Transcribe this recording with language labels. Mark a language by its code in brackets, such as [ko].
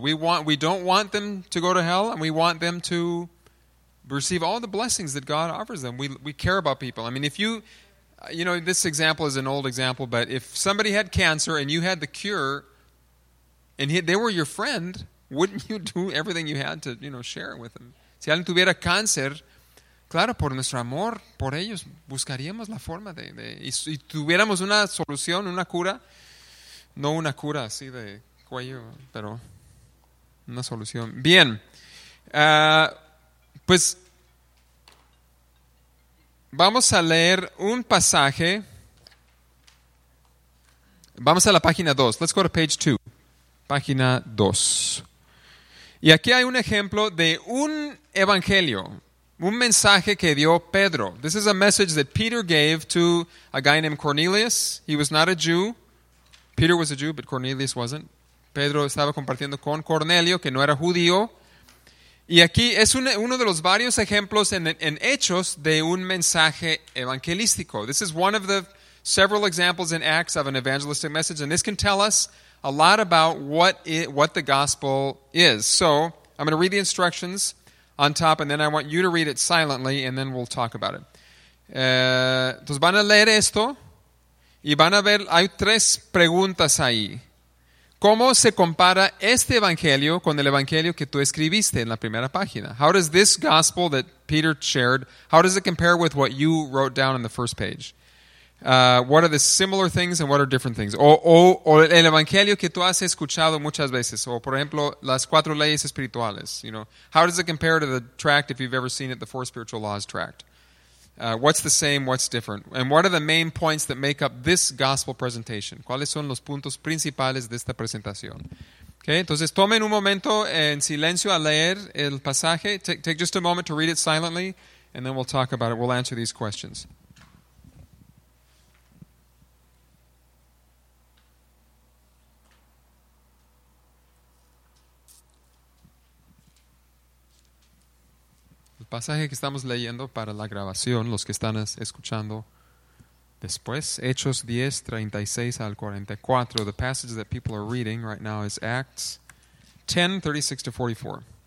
[en] We don't want them to go to hell, and we want them to receive all the blessings that God offers them. We care about people. I mean, if you know, this example is an old example, but if somebody had cancer and you had the cure, and they were your friend, wouldn't you do everything you had to, you know, share it with them? [es] Si alguien tuviera cáncer, claro, por nuestro amor por ellos, buscaríamos la forma de y tuviéramos una solución, una cura, no una cura así de cuello, pero una solución. Bien, pues vamos a leer un pasaje. Vamos a la página 2. [en] Let's go to page 2. [es] Página 2. Y aquí hay un ejemplo de un evangelio. Un mensaje que dio Pedro. [en] This is a message that Peter gave to a guy named Cornelius. He was not a Jew. Peter was a Jew, but Cornelius wasn't. [es] Pedro estaba compartiendo con Cornelio, que no era judío. Y aquí es uno de los varios ejemplos en Hechos de un mensaje evangelístico. [en] This is one of the several examples in Acts of an evangelistic message. And this can tell us a lot about what the gospel is. So I'm going to read the instructions on top, and then I want you to read it silently, and then we'll talk about it. [es] Entonces van a leer esto, y van a ver, hay tres preguntas ahí. ¿Cómo se compara este evangelio con el evangelio que tú escribiste en la primera página? [en] How does this gospel that Peter shared, how does it compare with what you wrote down in the first page? What are the similar things and what are different things? [es] O el evangelio que tú has escuchado muchas veces. O, por ejemplo, las cuatro leyes espirituales. [en] You know, how does it compare to the tract, if you've ever seen it, the four spiritual laws tract? What's the same? What's different? And what are the main points that make up this gospel presentation? [es] ¿Cuáles son los puntos principales de esta presentación? Okay, entonces tomen un momento en silencio a leer el pasaje. [en] Take just a moment to read it silently, and then we'll talk about it. We'll answer these questions. [es] Pasaje que estamos leyendo para la grabación, los que están escuchando después, Hechos 10, 36 al 44. [en] The passage that people are reading right now is Acts 10, 36 to 44.